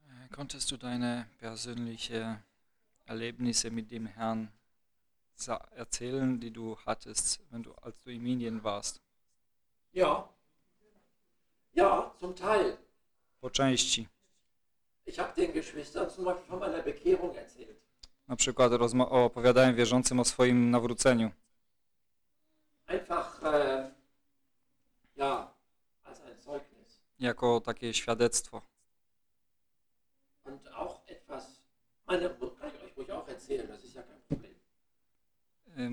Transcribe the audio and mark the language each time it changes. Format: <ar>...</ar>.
<de>Konntest du deine persönlichen Erlebnisse mit dem Herrn erzählen, die du hattest, wenn du, als du in Indien warst? Ja. Ja, zum Teil.</de> <pl>Po części.</pl> <de>Ich habe den Geschwistern zum Beispiel von meiner Bekehrung erzählt.</de> <pl>Na przykład opowiadałem wierzącym o swoim nawróceniu.</pl> <de>Einfach, ja, als ein Zeugnis.</de> <pl>Jako takie świadectwo.</pl> <de>Und auch etwas, meine, kann ich euch auch erzählen, das ist ja kein Problem.</de>